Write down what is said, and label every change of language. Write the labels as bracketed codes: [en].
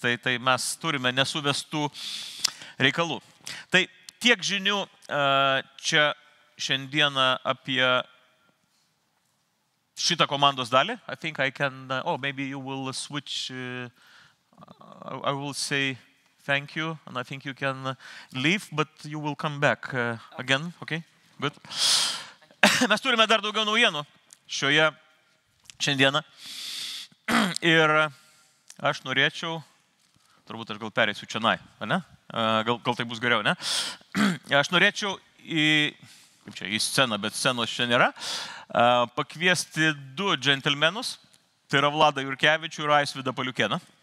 [lt] Tai, tai mes turime nesuvestų reikalų. Tai tiek žinių čia šiandieną apie šitą komandos dalį. [en] I think I can, oh, maybe you will switch, I will say thank you, and I think you can leave, but you will come back again, okay, good. [lt] Mes turime dar daugiau naujienų šioje šiandieną. Ir aš norėčiau, turbūt aš gal pereisiu čionai, ne? Gal tai bus geriau, ne? Aš norėčiau į sceną, bet scenos čia nėra, pakviesti du džentelmenus, tai yra Vladą Jurkevičių ir Aisvydą Paliukėną.